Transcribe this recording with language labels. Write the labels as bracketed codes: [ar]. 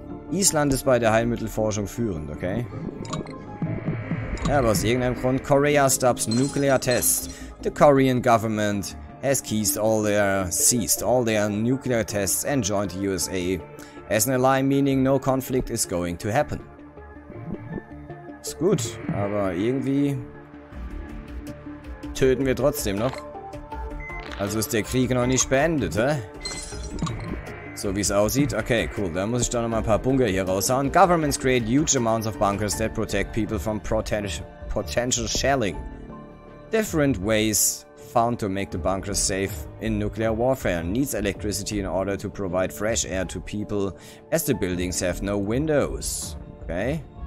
[de] Island ist bei der Heilmittelforschung führend, okay? Ja, aber aus irgendeinem Grund, [en] Korea stops nuclear tests. The Korean government has ceased all their nuclear tests and joined the USA as an ally, meaning no conflict is going to happen. [de] Ist gut, aber irgendwie töten wir trotzdem noch. Also ist der Krieg noch nicht beendet, hä? So wie es aussieht. Okay, cool. Da muss ich doch noch mal ein paar Bunker hier raushauen. [en] Governments create huge amounts of bunkers that protect people from potential shelling. Different ways found to make the bunkers safe in nuclear warfare. Needs electricity in order to provide fresh air to people, as the buildings have no windows. Okay.